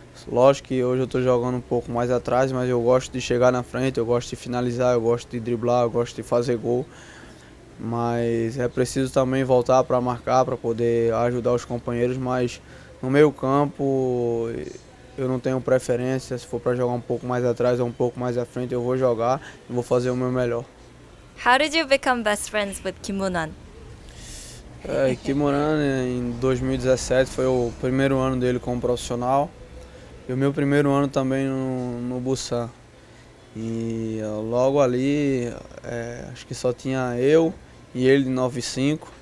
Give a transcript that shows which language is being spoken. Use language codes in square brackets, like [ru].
[pt] Lógico que hoje eu estou jogando um pouco mais atrás, mas eu gosto de chegar na frente, eu gosto de finalizar, eu gosto de driblar, eu gosto de fazer gol. Mas é preciso também voltar para marcar, para poder ajudar os companheiros. Mas no meio campo eu não tenho preferência, se for para jogar um pouco mais atrás ou um pouco mais à frente, eu vou jogar e vou fazer o meu melhor. [en] How did you become best friends with Kim Moon-an? [pt] Kim Moon-an, em 2017, foi o primeiro ano dele como profissional. E o meu primeiro ano também no Busan. E logo ali, acho que só tinha eu e ele de 9-5.